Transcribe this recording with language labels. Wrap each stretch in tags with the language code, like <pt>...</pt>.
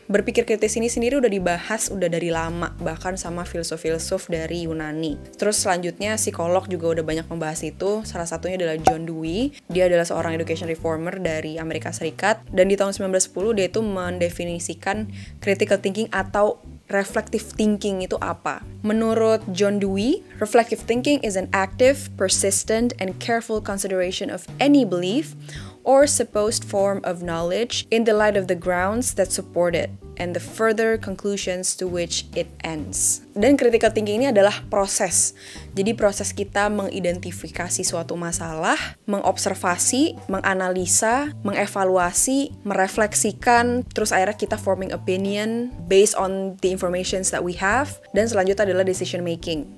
<id>Berpikir kritis ini sendiri udah dibahas udah dari lama, bahkan sama filsuf-filsuf dari Yunani. Terus selanjutnya psikolog juga udah banyak membahas itu, salah satunya adalah John Dewey. Dia adalah seorang education reformer dari Amerika Serikat, dan di tahun 1910 dia itu mendefinisikan critical thinking atau reflective thinking itu apa.</id> <en>Menurut John Dewey, reflective thinking is an active, persistent, and careful consideration of any belief or supposed form of knowledge in the light of the grounds that support it and the further conclusions to which it ends.</en> <id>Dan critical thinking ini adalah proses. Jadi proses kita mengidentifikasi suatu masalah, mengobservasi, menganalisa, mengevaluasi, merefleksikan, terus akhirnya kita forming opinion based on the informations that we have, dan selanjutnya adalah decision making.</id>